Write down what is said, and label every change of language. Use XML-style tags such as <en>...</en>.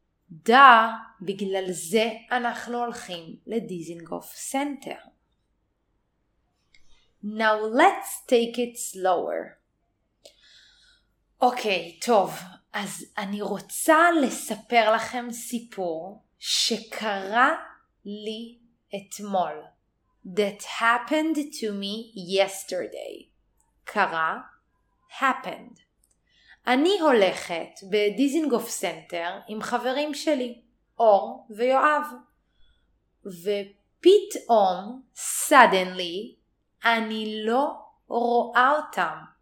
<he>דה, בגלל זה אנחנו הולכים לדיזינגוף סנטר.</he> <en>Now let's take it slower.</en> <he>אוקיי, טוב. אז אני רוצה לספר לכם סיפור שקרה לי אתמול.</he> <en>That happened to me yesterday.</en> <he>קרה, happened. אני הולכת בדיזינגוף סנטר עם חברים שלי, אור ויואב. ופתאום, suddenly, אני לא רואה אותם.</he>